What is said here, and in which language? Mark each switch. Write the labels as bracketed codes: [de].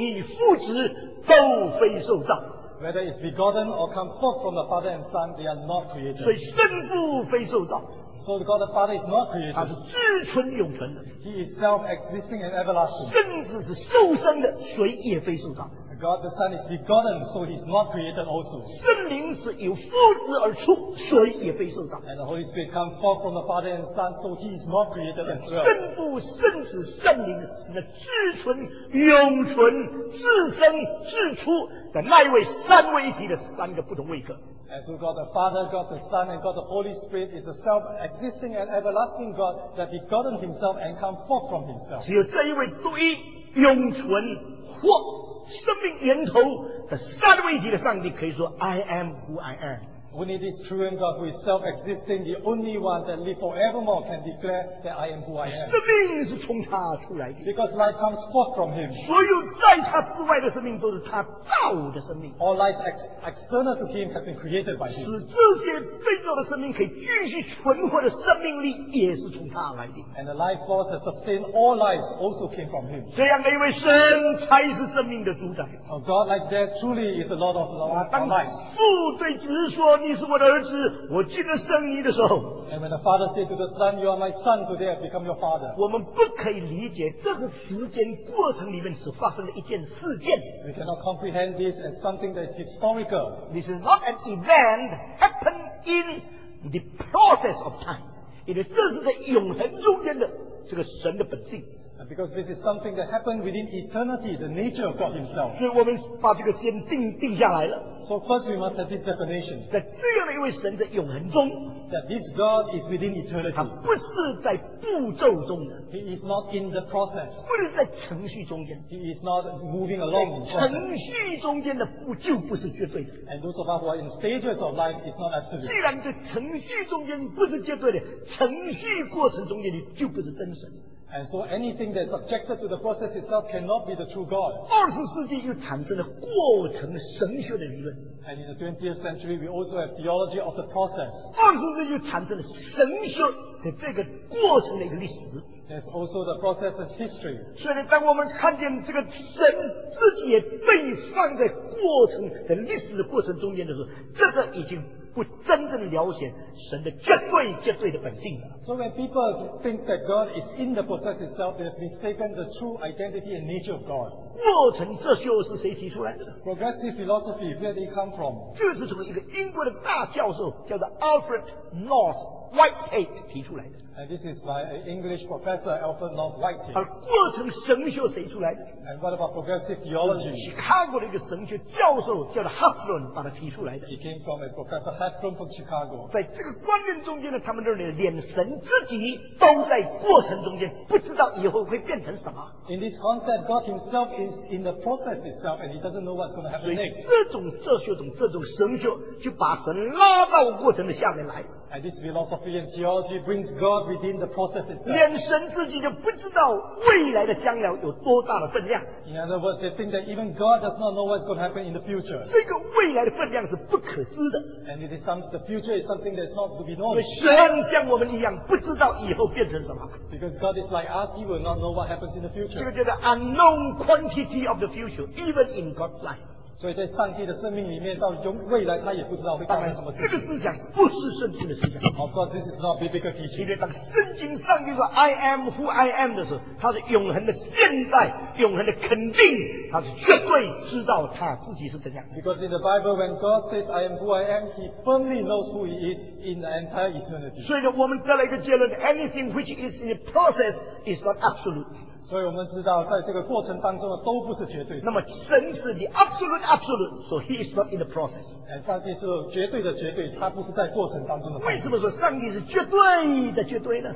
[zh] 无论是生于父或者出于父子，都非受造。 [en] Whether it's begotten or come forth from the Father and Son, they are not created. [zh] 所以圣父非受造。 [en] So God the Father is not created. [zh] 他是至存永存的。 [en] He is self-existing and everlasting. [zh] 圣子是受生的，谁也非受造。 [en] God the Son is begotten, so He is not created also. [zh] 圣灵是由父子而出，谁也非受造。 [en] And the Holy Spirit comes forth from the Father and Son, so He is not created as well. [zh] 圣父、圣子、圣灵是那至存、永存、自生、自出的那一位三位一体的三个不同位格。 [en] And so God the Father, God the Son, and God the Holy Spirit is a self-existing and everlasting God that begotten Himself and come forth from Himself. [zh] 只有这一位独一。永存或生命源头的三位一体的上帝可以说 [en] I am who I am。 Only this true and God who is self-existing, the only one that lives forevermore can declare that I am who I am. [zh] 生命是从他出来的。 [en] Because life comes forth from him. [zh] 所有在他之外的生命都是他造的生命。 [en] All life external to him has been created by him. [zh] 使这些被造的生命可以继续存活的生命力也是从他来的。 [en] And the life force that sustains all lives also came from him. [zh] 这样的一位神才是生命的主宰。 [en] A God like that truly is the Lord of life. [zh] 当父对子说你是我的儿子，我今日生你的时候。 [en] And when the father said to the son, "You are my son," today I've become your father. [zh] 我们不可以理解这个时间过程里面所发生的一件事件。 [en] We cannot comprehend this as something that is historical. This is not an event happened in the process of time. [zh] 因为这是在永恒中间的这个神的本性。 [en] Because this is something that happened within eternity, the nature of God himself. [zh] 所以我们把这个先定下来了。 [en] So first we must have this definition. [zh] 在这样的一位神在永恒中。 [en] That this God is within eternity. [zh] 他不是在步骤中的。 [en] He is not in the process. [zh] 不是在程序中间。 [en] He is not moving along. [zh] 程序中间的步骤不是绝对的。 [en] And those of us who are in stages of life is not absolute. [zh] 既然在程序中间不是绝对的，程序过程中间你就不是真神。 [en] And so anything that is subjected to the process itself cannot be the true God. 20th century [zh] 又产生了过程神学的理论。 [en] And in the 20th century, we also have theology of the process. 20th century [zh] 又产生了神学的这个过程的一个历史。 [en] There's also the process of history. [zh] 所以当我们看见这个神自己也被放在过程的历史的过程中间的时候，这个已经不真正了解神的绝对绝对的本性。 [en] So when people think that God is in the process itself, they have mistaken the true identity and nature of God. [zh] 过程这就是谁提出来的？ [en] Progressive philosophy, where did it come from? [zh] 就是从一个英国的大教授叫做 Alfred North Whitehead 提出来的。 [en] And this is by an English professor, Alfred North Whitehead. [zh] 而过程神学谁出来的？ [en] And what about progressive theology? [zh] Chicago 的一个神学教授叫做 Hathron 把它提出来的。 [en] He came from a professor. From Chicago. [zh] 在这个观念中间呢，他们认为连神自己都在过程中间，不知道以后会变成什么。 [en] In this concept, God Himself is in the process itself, and He doesn't know what's going to happen next. [zh] 这种哲学中，这种神学就把神拉到过程的下面来。 [en] And this philosophy and theology brings God within the process itself. [zh] 连神自己就不知道未来的将来有多大的分量。 [en] In other words, they think that even God does not know what's going to happen in the future. [zh] 这个未来的分量是不可知的。 [en] And it is the future is something that is not to be known. [zh] 神像我们一样不知道以后变成什么。 [en] Because God is like us, He will not know what happens in the future. [zh] 这个叫做 [en] unknown quantity of the future, even in God's life. [zh] 所以在上帝的生命里面，到中未来他也不知道会发生什么事情。这个思想不是圣经的思想。 [en] Of course, this is not biblical teaching. [zh] 因为当圣经上帝说 [en] "I am who I am" [zh] 的时候，他是永恒的现在，永恒的肯定，他是绝对知道他自己是怎样。 [en] Because in the Bible, when God says "I am who I am," He firmly knows who He is in the entire eternity. [zh] 所以我们得了一个结论 ： [en] Anything which is in the process is not absolute. [zh] 所以我们知道在这个过程当中都不是绝对的。那么神是 [en] the absolute absolute, so he is not in the process. [zh] 上帝是绝对的绝对，他不是在过程当中的。为什么说上帝是绝对的绝对呢？